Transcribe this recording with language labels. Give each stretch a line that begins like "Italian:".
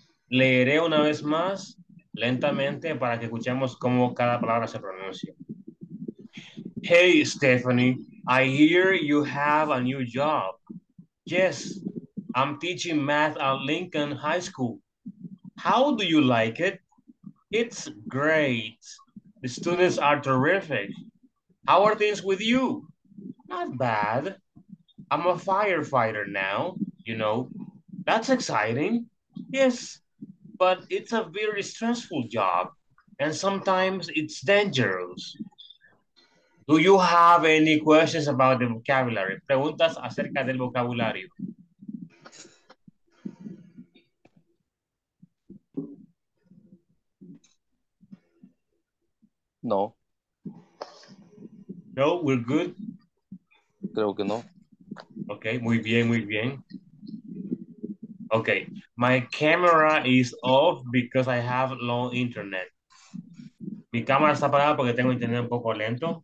Spanish: Leeré una vez más lentamente para que escuchemos cómo cada palabra se pronuncia.
English: Hey, Stephanie, I hear you have a new job. Yes, I'm teaching math at Lincoln High School. How do you like it? It's great. The students are terrific. How are things with you? Not bad. I'm a firefighter now, you know. That's exciting. Yes, but it's a very stressful job, and sometimes it's dangerous. Do you have any questions about the vocabulary?
Spanish: Preguntas acerca del vocabulario.
English: No. No, we're good.
Spanish: Creo que no. Okay, muy bien, muy bien.
English: Okay, my camera is off because I have low internet.
Spanish: Mi cámara está apagada porque tengo internet un poco lento.